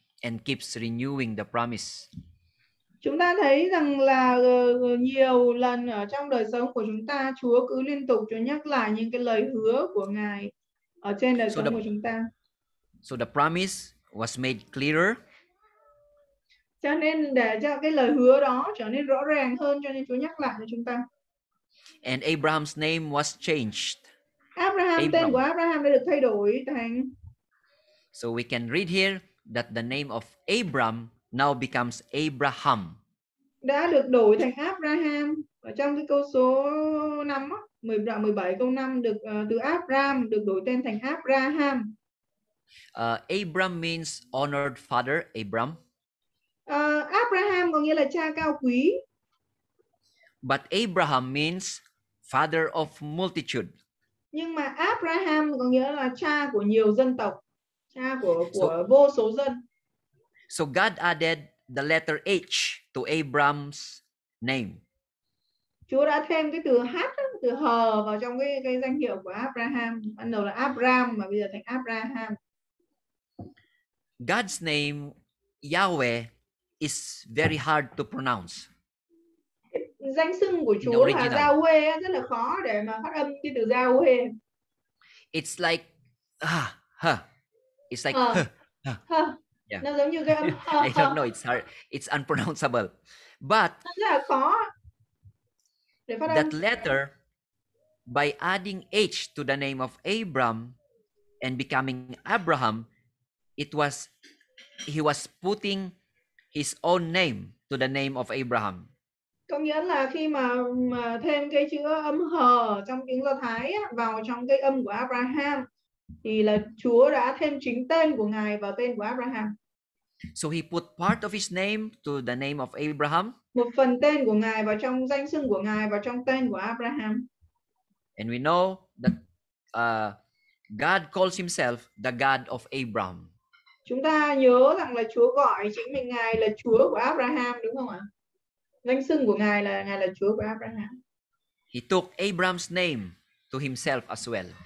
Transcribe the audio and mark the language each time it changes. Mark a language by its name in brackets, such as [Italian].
[English] And keeps renewing the promise. [Vietnamese] Chúng ta thấy rằng là nhiều lần ở trong đời sống của chúng ta, Chúa cứ liên tục Chúa nhắc lại những cái lời hứa của Ngài ở trên đời sống của chúng ta. [English] So the promise was made clearer. [Vietnamese] Cho nên để cho cái lời hứa đó trở nên rõ ràng hơn, cho nên Chúa nhắc lại cho chúng ta. [English] And Abraham's name was changed. Abraham. [Vietnamese] Tên của Abraham đã được thay đổi thành. [English] So we can read here that the name of Abraham now becomes Abraham. [Vietnamese] Đã được đổi thành Abraham ở trong cái câu số 5 á, 17 câu 5 được từ Abraham được đổi tên thành Abraham. [English] Abraham means honored father, Abram. [Vietnamese] Abraham có nghĩa là cha cao quý. [English] But Abraham means father of multitude. [Vietnamese] Nhưng mà Abraham có nghĩa là cha của nhiều dân tộc, cha của vô số dân. [English] So God added the letter H to Abraham's name. [Vietnamese] Chúa đã thêm cái từ H, từ H vào trong cái danh hiệu của Abraham. Ban đầu là Abraham mà bây giờ thành Abraham. [English] God's name Yahweh is very hard to pronounce. [Vietnamese] Danh xưng của Chúa là Yahweh rất là khó để mà phát âm cái từ Yahweh. [English] It's like it's like [Vietnamese] Nó giống như cái âm [English] I don't know, it's hard. It's unpronounceable. But [Vietnamese] nó rất là khó để phát âm. [English] That letter by adding H to the name of Abram and becoming Abraham, he was putting his own name to the name of Abraham. [Vietnamese] Có nghĩa là khi mà thêm cái chữ âm H trong tiếng Do Thái á, vào trong cái âm của Abraham thì là Chúa đã thêm chính tên của Ngài vào tên của Abraham. [English] So he put part of his name to the name of Abraham. [Vietnamese] Một phần tên của Ngài vào trong danh xưng của Ngài vào trong tên của Abraham. [English] And we know that God calls himself the God of Abraham. [Vietnamese] Chúng ta nhớ rằng là Chúa gọi chính mình Ngài là Chúa của Abraham, đúng không ạ? Danh xưng của Ngài là Chúa của Abraham. [English] He took Abraham's name to himself as well.